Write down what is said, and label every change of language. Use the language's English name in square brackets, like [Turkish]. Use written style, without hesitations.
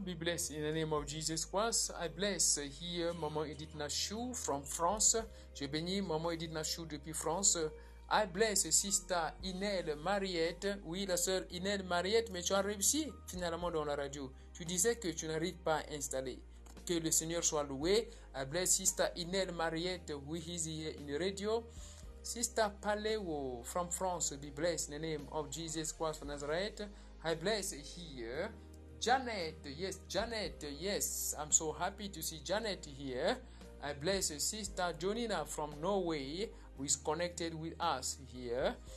[English] Be blessed in the name of Jesus Christ. I bless here Maman Edith Nachou from France. [French] Je bénis Maman Edith Nachou depuis France. [English] I bless Sister Inel Mariette. [French] Oui, la sœur Inel Mariette, mais tu as réussi finalement dans la radio. Tu disais que tu n'arrives pas à installer. Que le Seigneur soit loué. [English] I bless Sister Inel Mariette, who is here in the radio. Sister Paleo from France, be blessed in the name of Jesus Christ of Nazareth. I bless here Janet. Yes, Janet. Yes, I'm so happy to see Janet here. I bless Sister Jonina from Norway, who is connected with us here.